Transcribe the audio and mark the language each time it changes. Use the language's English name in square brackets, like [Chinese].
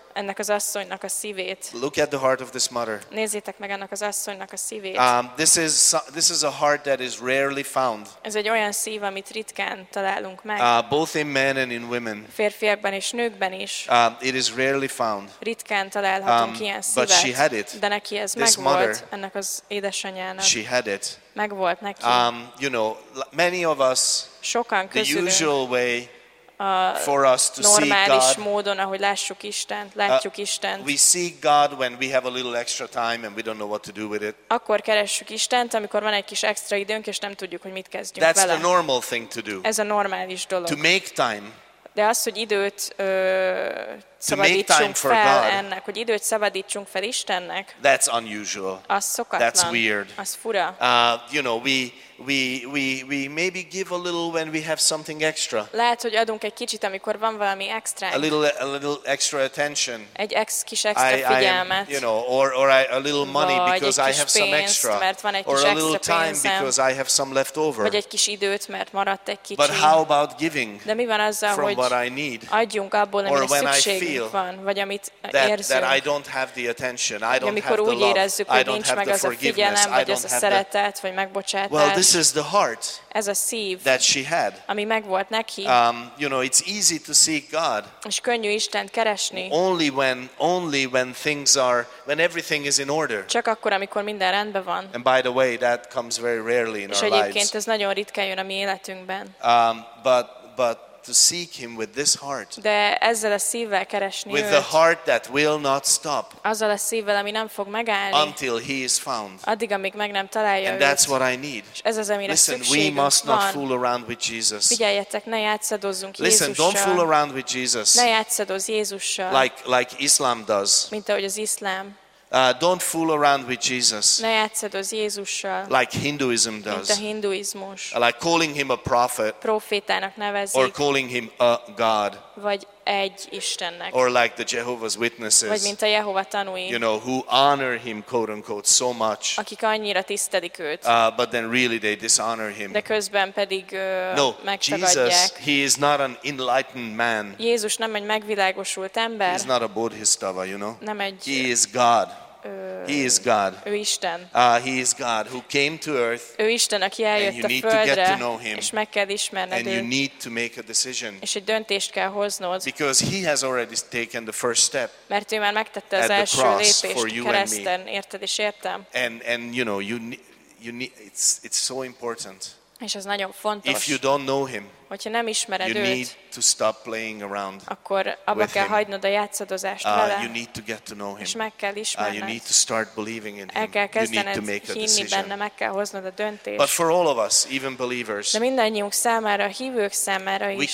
[Hungarian] Ennek az asszonynak a szívét. [English] Look at the heart of this mother. [Hungarian] Nézzétek meg ennek az asszonynak a szívét. [English] This is a heart that is rarely found. [Hungarian] Ez egy olyan szív, amit ritkán találunk meg. [English] Both in men and in women. [Hungarian] Férfiakban és nőkben is. [English] It is rarely found. [Hungarian] Ritkán találhatunk ilyen szívet. [English] But she had it. [Hungarian] De neki ez [English] this [Hungarian] megvolt, [English] mother, [Hungarian] ennek az édesanyjának. [English] She had it. [Hungarian] Megvolt neki. [English] Many of us, [Hungarian] sokan közülünk, [English] the usual way for us to see God. [Hungarian] Normális módon, ahogy lássuk Istent, látjuk Istent. [English] We seek God when we have a little extra time and we don't know what to do with it. [Hungarian] Akkor keressük Istent, amikor van egy kis extra időnk, és nem tudjuk, hogy mit kezdjünk [English] That's [Hungarian] vele. [English] That's the normal thing to do. [Hungarian] Ez a normális dolog. [English] To make time [Hungarian] De az, hogy időt szabadítsunk fel ennek, hogy időt szabadítsunk fel Istennek. [English] That's unusual. [Hungarian] Az szokatlan. [English] That's weird. [Hungarian] Az fura. [English] You know, we maybe give a little when we have something extra. [Hungarian] Lehet, hogy adunk egy kicsit, amikor van valami extra. [English] A little extra attention. [Hungarian] Egy kis extra figyelmet. [English] Or a little money because I have some extra. [Hungarian] Mert van egy [English] or [Hungarian] kis [English] a little [Hungarian] extra [English] time [Hungarian] pénzem, [English] because I have some left over. [Hungarian] Vagy egy kis időt, mert maradt egy kicsi. [English] But how about giving? [Hungarian] De mi van azzal, [English] from [Hungarian] hogy [English] what I need? [Hungarian] Adjunk abból, amire szükségünk van, vagy amit érzünk. [English] That I don't have the attention. I don't [Hungarian] amikor [English] have [Hungarian] úgy [English] the love. [Hungarian] Érezzük, hogy [English] I don't [Hungarian] nincs [English] have [Hungarian] meg az a figyelem, vagy az a szeretet, vagy megbocsátás. [English] Well, this is the heart [Hungarian] szív, [English] that she had. [Hungarian] Ami megvolt neki. [English] You know, it's easy to seek God. [Hungarian] És könnyű Istent keresni. [English] Only when things are, when everything is in order. [Hungarian] Csak akkor, amikor minden rendben van. [English] And by the way, that comes very rarely in [Hungarian] és [English] our [Hungarian] lives. És egyébként ez nagyon ritkán jön a mi életünkben. [English] But to seek him with this heart. [Hungarian] De ezzel a szívvel keresni őt. [English] With the heart that will not stop. [Hungarian] Azzal a szívvel, ami nem fog megállni. [English] Until he is found. [Hungarian] Addig, amíg meg nem találja [English] őt. And that's what I need. [Hungarian] És ez az, amire szükségünk van. [English] Listen, we must not fool around with Jesus. [Hungarian] Figyeljetek, ne játszadozzunk [English] Jézussal. Listen, don't fool around with Jesus. [Hungarian] Ne játszadozz Jézussal. [English] Like Islam does. [Hungarian] Mint ahogy az iszlám. [English] Don't fool around with Jesus. [Hungarian] Ne játszadozz Jézussal. [English] Like Hinduism does. [Hungarian] Mint a hinduizmus. [English] Like calling him a prophet. [Hungarian] Profétának nevezik. [English] Or calling him a god. [Hungarian] Vagy egy Istennek. [English] Or like the Jehovah's Witnesses. [Hungarian] Vagy mint a Jehova tanúi. [English] You know, who honor him, quote unquote, so much. [Hungarian] Akik annyira tisztelik őt. [English] But then really they dishonor him. [Hungarian] De közben pedig megtagadják. [English] No, Jesus, he is not an enlightened man. [Hungarian] Jézus nem egy megvilágosult ember. [English] He's not a bodhisattva, you know. [Hungarian] Nem egy. [English] He is God. He is God. [Hungarian] Ő Isten. [English] He is God who came to earth. [Hungarian] Ő Isten, aki eljött a földre. [English] And you need to get to know him. [Hungarian] És meg kell ismerned őt. [English] And you need to make a decision. [Hungarian] És egy döntést kell hoznod. [English] Because he has already taken the first step. [Hungarian] Mert ő már megtette az első lépést kereszten, érted és értem. [English] And you know, you need it's so important. [Hungarian] És ez nagyon fontos. [English] If you don't know him, [Hungarian] hogyha nem ismered [English] you [Hungarian] őt, [English] need to stop playing around. [Hungarian] Akkor abba kell hagynod a játszadozást vele. [English] You need to get to know him. [Hungarian] És meg kell ismerned. [English] You need to start believing in him. [Hungarian] El kell kezdened [English] you need to make a [Hungarian] hinni [English] decision. [Hungarian] Benne, meg kell hoznod a döntést. [English] But for all of us, even believers, [Hungarian] de mindannyiunk számára, a hívők számára is,